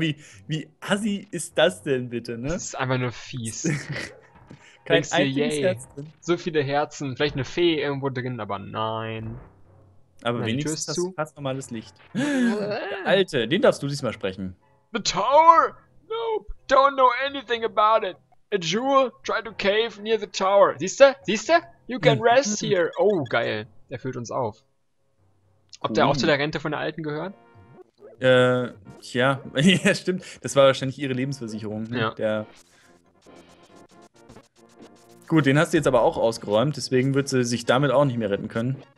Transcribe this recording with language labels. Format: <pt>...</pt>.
<de>Wie assi ist das denn bitte, ne? Das ist einfach nur fies. Kein Herz drin. So viele Herzen. Vielleicht eine Fee irgendwo drin, aber nein. Aber nein, wenigstens hast du fast normales Licht. Der Alte, den darfst du diesmal sprechen.</de> <en>The tower? Nope. Don't know anything about it. A jewel tried to cave near the tower.</en> <de>Siehste?</de> <en>You can rest here.</en> <de>Oh, geil. Der füllt uns auf. Ob der auch zu der Rente von der Alten gehört? Ja, stimmt. Das war wahrscheinlich ihre Lebensversicherung. Ne? Ja. Der... Gut, den hast du jetzt aber auch ausgeräumt. Deswegen wird sie sich damit auch nicht mehr retten können.</de>